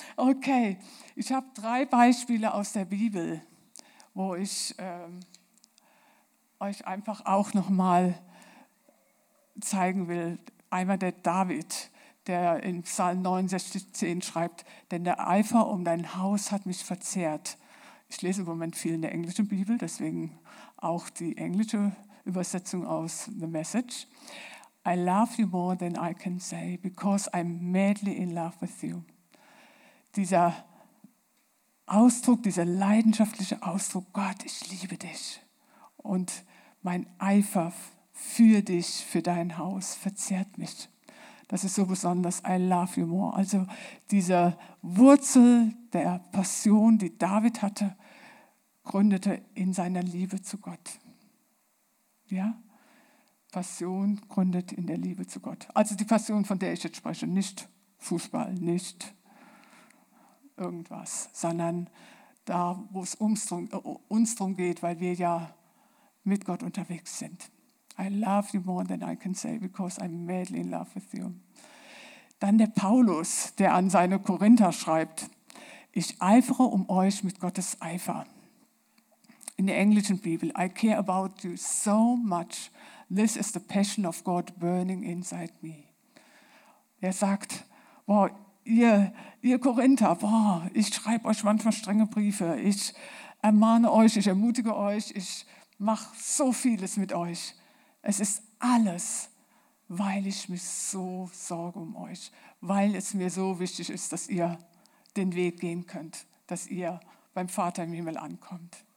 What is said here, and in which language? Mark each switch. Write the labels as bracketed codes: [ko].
[de] Okay, ich habe drei Beispiele aus der Bibel, wo ich euch einfach auch nochmal zeigen will. Einmal der David, der in Psalm 69, 10 schreibt, denn der Eifer um dein Haus hat mich verzehrt. Ich lese im Moment viel in der englischen Bibel, deswegen auch die englische Übersetzung aus The Message. [en] I love you more than I can say, because I'm madly in love with you. [de] Dieser Ausdruck, dieser leidenschaftliche Ausdruck, Gott, ich liebe dich. Und mein Eifer für dich, für dein Haus, verzehrt mich. Das ist so besonders, [en] I love you more. [de] Also diese Wurzel der Passion, die David hatte, gründete in seiner Liebe zu Gott. Ja? Passion gründet in der Liebe zu Gott. Also die Passion, von der ich jetzt spreche, nicht Fußball, nicht irgendwas, sondern da, wo es uns drum geht, weil wir ja mit Gott unterwegs sind. [en] I love you more than I can say, because I'm madly in love with you. [de] Dann der Paulus, der an seine Korinther schreibt, ich eifere um euch mit Gottes Eifer. In der englischen Bibel, [en] I care about you so much. This is the passion of God burning inside me. [de] Er sagt, wow, ihr Korinther, wow, ich schreibe euch manchmal strenge Briefe. Ich ermahne euch, ich ermutige euch, ich mache so vieles mit euch. Es ist alles, weil ich mich so sorge um euch, weil es mir so wichtig ist, dass ihr den Weg gehen könnt, dass ihr beim Vater im Himmel ankommt.